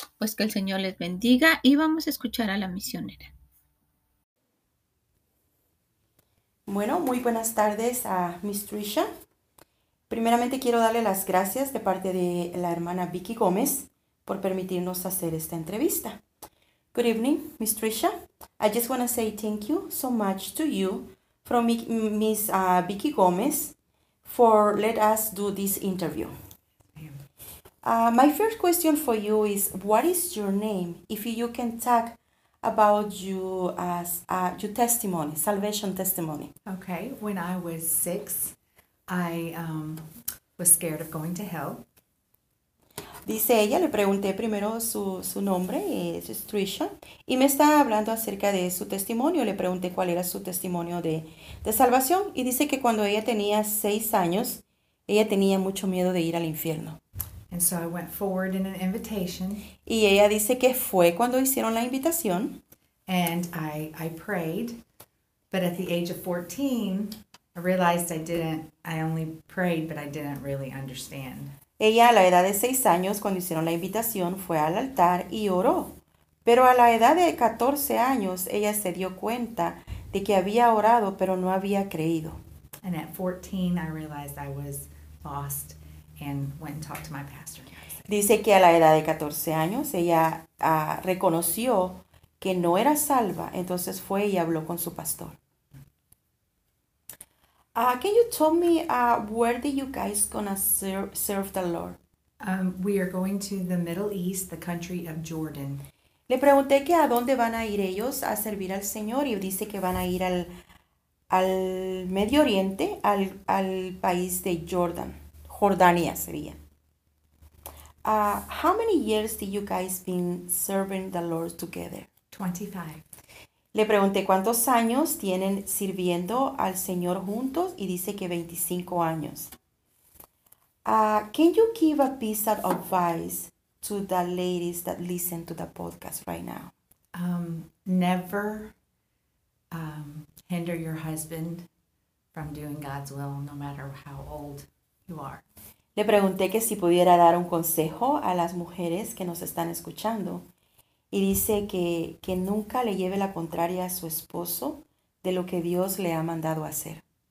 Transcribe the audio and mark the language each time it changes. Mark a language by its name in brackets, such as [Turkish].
[Spanish] Pues que el Señor les bendiga y vamos a escuchar a la misionera. Bueno, muy buenas tardes a Miss Trisha. Primeramente quiero darle las gracias de parte de la hermana Vicky Gómez por permitirnos hacer esta entrevista. [English] Good evening, Miss Trisha. I just want to say thank you so much to you from Miss Vicky Gómez for let us do this interview. My first question for you is, what is your name? If you can talk about you as your testimony, salvation testimony. Okay, when I was 6, I was scared of going to hell. [Spanish] Dice ella, le pregunté primero su nombre, es Trisha, y me está hablando acerca de su testimonio. Le pregunté cuál era su testimonio de salvación, y dice que cuando ella tenía 6 años, ella tenía mucho miedo de ir al infierno. [English] And so I went forward in an invitation. [Spanish] Y ella dice que fue cuando hicieron la invitación. [English] And I prayed, but at the age of 14, I realized I only prayed, but I didn't really understand. [Spanish] Ella a la edad de 6 años, cuando hicieron la invitación, fue al altar y oró. Pero a la edad de 14 años, ella se dio cuenta de que había orado, pero no había creído. [English] And at 14, I realized I was lost. And went and talked to my pastor. [Spanish] Dice que a la edad de 14 años ella reconoció que no era salva, entonces fue y habló con su pastor. [English] Can you tell me where did you guys gonna serve the Lord? We are going to the Middle East, the country of Jordan. [Spanish] Le pregunté que a dónde van a ir ellos a servir al Señor y dice que van a ir al Medio Oriente, al país de Jordan. Jordania sería. [English] How many years did you guys been serving the Lord together? 25. [Spanish] Le pregunté cuántos años tienen sirviendo al Señor juntos y dice que 25 años. [English] Can you give a piece of advice to the ladies that listen to the podcast right now? Never hinder your husband from doing God's will, no matter how old you are. [Spanish] Le pregunté que si pudiera dar un consejo a las mujeres que nos están escuchando y dice que nunca le lleve la contraria a su esposo de lo que Dios le ha mandado hacer.